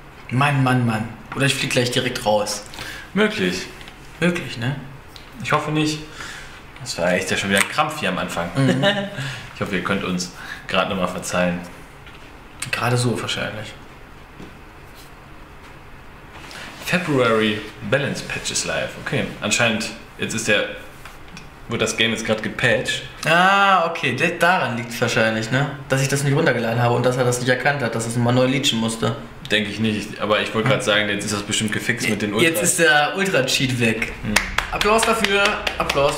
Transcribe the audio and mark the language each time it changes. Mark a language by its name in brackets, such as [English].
[German] Mann, Mann, Mann. Oder ich fliege gleich direkt raus. Möglich. Möglich, ne? Ich hoffe nicht. Das war echt ja schon wieder ein Krampf hier am Anfang. Mhm. Ich hoffe, ihr könnt uns gerade nochmal verzeihen. Gerade so wahrscheinlich. [English] February Balance Patch is live. [German] Okay, anscheinend jetzt ist der, wird das Game jetzt gerade gepatcht. Ah, okay, daran liegt es wahrscheinlich, ne? Dass ich das nicht runtergeladen habe und dass er das nicht erkannt hat, dass es nochmal neu leachen musste. Denke ich nicht, aber ich wollte gerade sagen, jetzt ist das bestimmt gefixt mit den Ultra. Jetzt ist der Ultra-Cheat weg. Hm. Applaus dafür, Applaus.